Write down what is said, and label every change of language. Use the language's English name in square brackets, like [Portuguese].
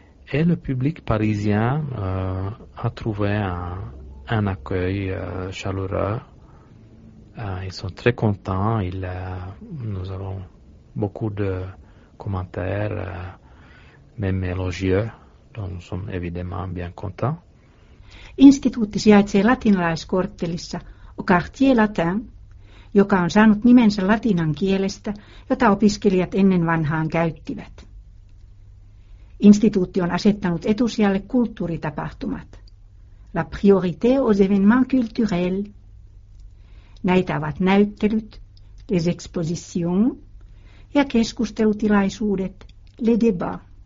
[French] Et le public parisien a trouvé un accueil chaleureux. Ils sont très contents. Nous avons beaucoup de commentaires, même élogieux. Donc nous sommes évidemment bien contents. [Finnish] Institut sijaitsee latinalaiskorttelissa, au quartier latin, joka on saanut nimensä latinan kielestä, jota opiskelijat ennen vanhaan käyttivät. Instituutti on asettanut etusijalle kulttuuritapahtumat. [French] La priorité aux événements culturels. [Finnish] Näitä ovat näyttelyt, les expositions, ja keskustelutilaisuudet, les débats.